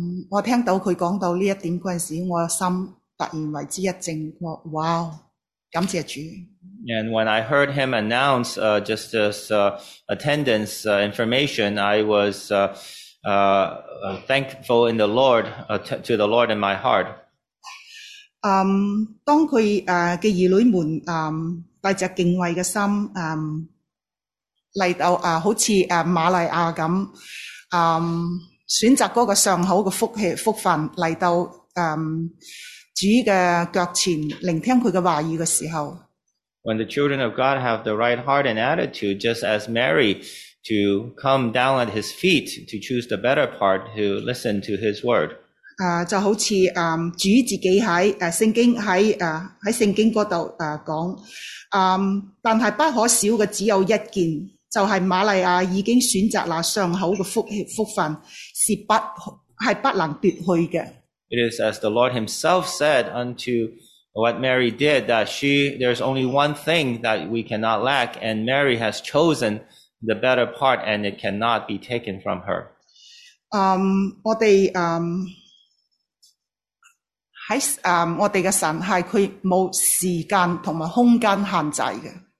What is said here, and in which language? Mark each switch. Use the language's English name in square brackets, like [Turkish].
[Cantonese] 我听到佢讲到呢一点嗰阵时，我心突然为之一静。我 wow, 感谢主。 [English] And when I heard him announce just this attendance information, I was thankful in the Lord to the Lord in my heart. [Cantonese] 当佢嘅儿女们带着敬畏嘅心嚟到好似玛利亚咁选择嗰个上好嘅福分嚟到主嘅脚前聆听佢嘅话语嘅时候。 [English] When the children of God have the right heart and attitude, just as Mary, to come down at his feet to choose the better part to listen to his word. [Cantonese] 就好似主自己喺圣经喺圣经嗰度讲，但系不可少嘅只有一件，就系玛利亚已经选择那上好嘅福分，是不能夺去嘅。 [English] It is as the Lord Himself said unto what Mary did that she there's only one thing that we cannot lack, and Mary has chosen the better part, and it cannot be taken from her. [Cantonese] 我哋喺我哋嘅神系佢冇时间同埋空间限制嘅。